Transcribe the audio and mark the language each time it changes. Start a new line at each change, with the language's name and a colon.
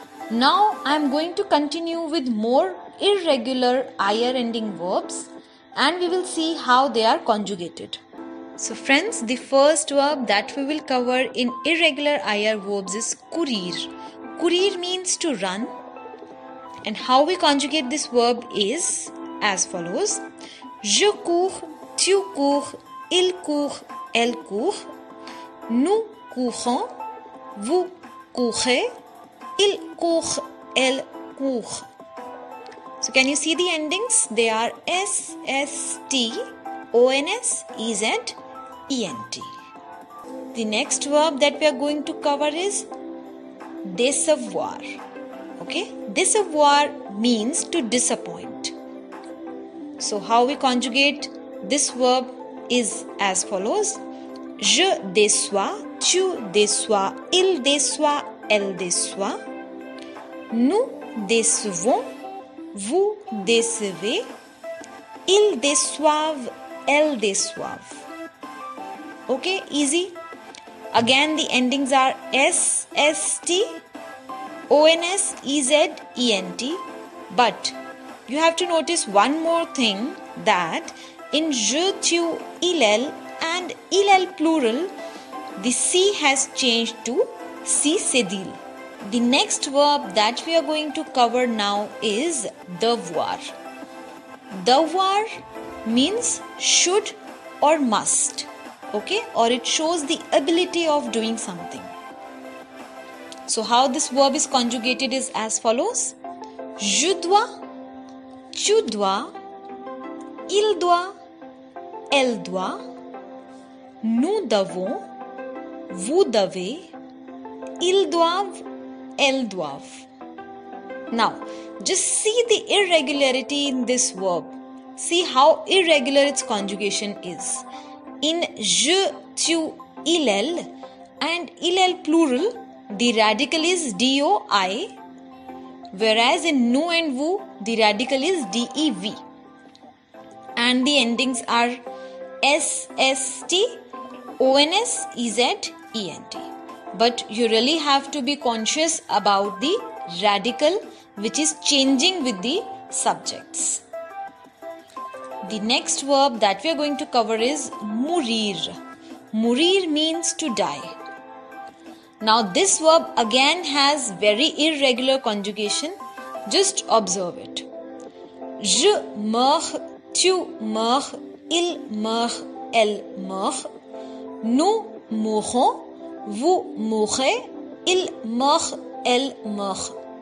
English: Now I am going to continue with more irregular IR ending verbs and we will see how they are conjugated. So friends, the first verb that we will cover in irregular IR verbs is courir. Courir means to run. And how we conjugate this verb is as follows.
French: Je cours, tu cours, il court, elle court. Nous courons, vous courez, il court, elle court.
English: So can you see the endings? They are S, S, T, O, N, S, E, Z. E-N-T. The next verb that we are going to cover is décevoir. Okay, décevoir means to disappoint. So how we conjugate this verb is as follows.
French: Je déçois, tu déçois, il déçoit, elle déçoit. Nous décevons, vous décevez, ils déçoivent, elles déçoivent.
English: Okay, easy. Again, the endings are S, S, T, O, N, S, E, Z, E, N, T. But you have to notice one more thing that in je, tu, il, elle and il, elle plural, the C has changed to C, cédille. The next verb that we are going to cover now is devoir. Devoir means should or must. Okay, or it shows the ability of doing something. So how this verb is conjugated is as follows.
French: Je dois, tu dois, il doit, elle doit, nous devons, vous devez, ils doivent, elles doivent.
English: Now, just see the irregularity in this verb. See how irregular its conjugation is. In je, tu, il, elle and il, elle plural, the radical is doi, whereas in nous and vous, the radical is dev. And the endings are s, s, t, o, n, s, e, z, e, n, t. But you really have to be conscious about the radical which is changing with the subjects. The next verb that we are going to cover is mourir. Mourir means to die. Now this verb again has very irregular conjugation. Just observe it.
French: Je meurs, tu meurs, il meurt, elle meurt. Nous mourons, vous mourrez, il meurt, elle meurt.